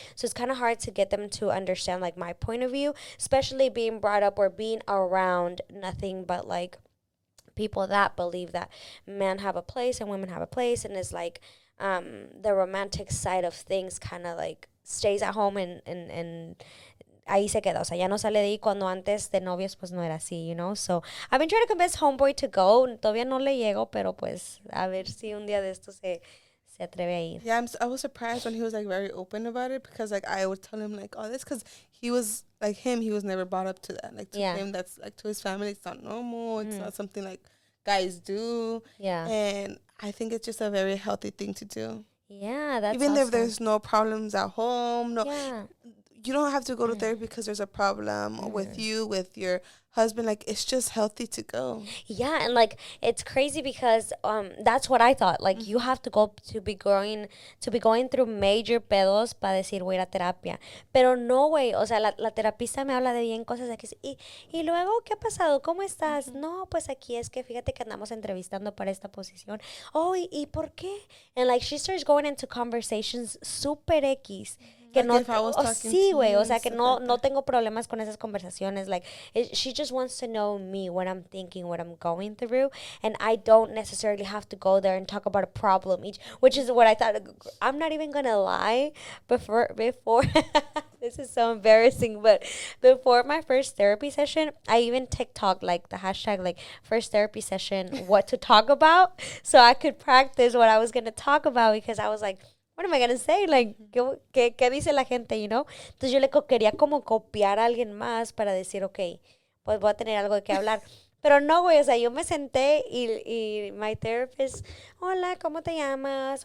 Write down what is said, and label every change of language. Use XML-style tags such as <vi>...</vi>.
<en>So it's kind of hard to get them to understand, like, my point of view, especially being brought up or being around nothing but, like, people that believe that men have a place and women have a place, and it's like the romantic side of things kind of, like, stays at home and ahí se queda. O sea, ya no sale de ahí cuando antes de novios, pues, no era así, you know? So, I've been trying to convince homeboy to go.</en> <es>Todavía no le llego, pero, pues, a ver si un día de esto se atreve a ir.</es> <en>Yeah, I was surprised when he was, like, very open about it, because, like, I would tell him, like, all this, because he was, like, him, he was never brought up to that. Like, to him, that's, like, to his family, it's not normal. It's not something, like, guys do. Yeah. And I think it's just a very healthy thing to do. Yeah, that's even awesome. If there's no problems at home, no, you don't have to go to therapy because there's a problem with you, with your husband. Like, it's just healthy to go. Yeah, and, like, it's crazy because that's what I thought. Like, you have to go to be going through major pedos para decir voy a ir a terapia. Pero no, güey.</en> <es>O sea, la terapista me habla de bien cosas. Aquí. Y luego, ¿qué ha pasado? ¿Cómo estás? Mm-hmm. No, pues aquí es que fíjate que andamos entrevistando para esta posición. Oh, ¿y por qué?</es> <en>And, like, she starts going into conversations super X.</en> <es>Que like no,</es> <en>if I was talking</en> <es>sí, güey, o sea, que no, no tengo problemas con esas conversaciones.</es> <en>Like, she just wants to know me, what I'm thinking, what I'm going through. And I don't necessarily have to go there and talk about a problem each, which is what I thought. I'm not even going to lie. Before this is so embarrassing, but before my first therapy session, I even TikTok, like, the hashtag, like, first therapy session, what to talk about, so I could practice what I was going to talk about, because I was like, what am I going to say?</en> <es>Like, ¿qué dice la gente, you know? Entonces yo le quería como copiar a alguien más para decir, okay, pues voy a tener algo de qué hablar. Pero no, güey, o sea, yo me senté y my therapist, hola, ¿cómo te llamas?</es>